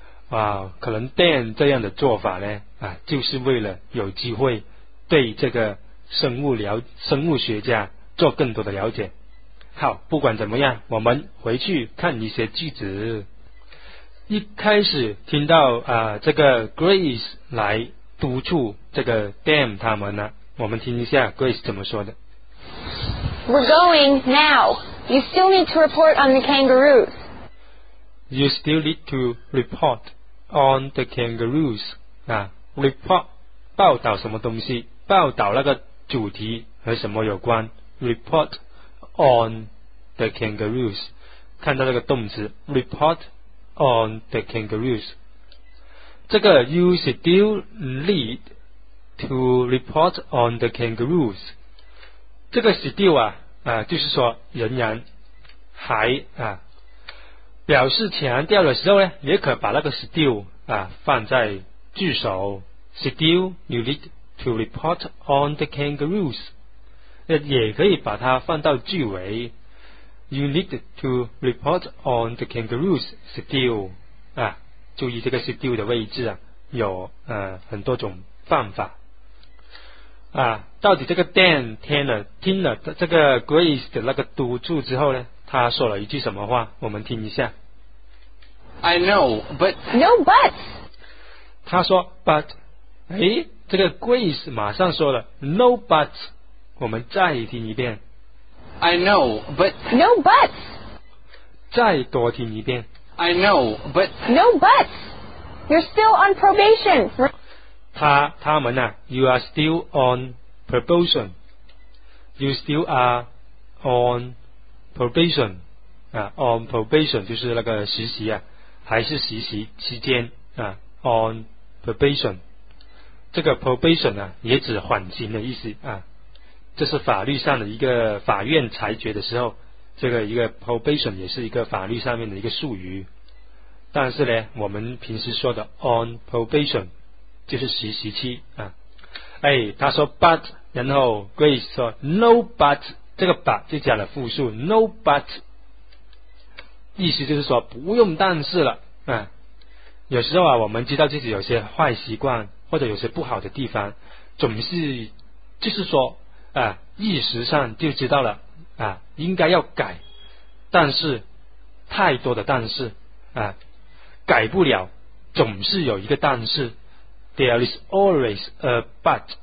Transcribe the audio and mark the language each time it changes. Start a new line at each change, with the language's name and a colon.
Chinese: 哇，可能 Dan 这样的做法呢就是为了有机会对这个生物学家做更多的了解。好，不管怎么样，我们回去看一些句子。一开始听到这个 Grace 来督促这个 Dan 他们呢，我们听一下 Grace 怎么说的。
English: We're going now. You still need to report on the kangaroos. You still need to report on the kangaroos.
Chinese: Report 报道什么东西？报道那个主题和什么有关 ？
English: Report on the kangaroos.
Chinese: 看到那个动词 ，
English: report on the kangaroos. 这个 you still need to report on the kangaroos.
Chinese: 这个 still 就是说仍然还表示强调的时候呢，也可把那个 still 放在句首
English: still you need to report on the kangaroos.
Chinese: 也可以把它放到句尾。
English: You need to report on the kangaroos still.
Chinese: 啊，注意这个 still 的位置啊，有很多种方法。啊，到底这个 Dan 听了这个 Grace 的那个赌注之后呢，他说了一句什么话？我们听一下。
English: I know, but no but.
Chinese: 他说 but， 哎，这个 Grace 马上说了
English: no but。
Chinese: 我们再听一遍。
English: I know, but no but.
Chinese: 再多听一遍。
English: I know, but no but. You're still on probation. 他们啊 ，you are still on probation. You still are on probation.
Chinese: 啊 ，on probation 就是那个实习啊。还是实习期间啊 ，on probation， 这个 probation 啊也指缓刑的意思啊，这是法律上的一个法院裁决的时候，这个一个 probation 也是一个法律上面的一个术语，但是呢，我们平时说的 on probation 就是实习期啊。哎，他说 but， 然后 Grace 说
English: no but，
Chinese: 这个 but 就讲了复数 no but。意思就是说不用但是了啊。有时候啊，我们知道自己有些坏习惯或者有些不好的地方，总是就是说啊，意识上就知道了啊，应该要改，但是太多的但是啊，改不了，总是有一个但是 ，
English: there is always a but。